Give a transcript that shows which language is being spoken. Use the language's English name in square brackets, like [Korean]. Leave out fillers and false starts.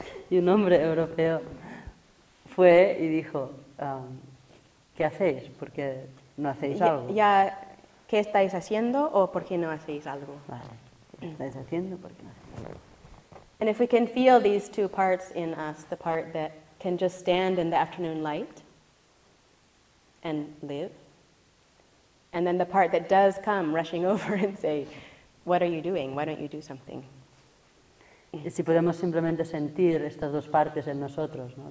[Spanish] Y un hombre europeo fue y dijo, ¿qué hacéis? ¿Por qué no hacéis algo? ¿Qué estáis haciendo o por qué no hacéis algo? Estáis haciendo por qué no. [English] And if we can feel these two parts in us, the part that can just stand in the afternoon light and live, and then the part that does come rushing over and say, "What are you doing? Why don't you do something?" [Spanish] Y si podemos simplemente sentir estas dos partes en nosotros, ¿no?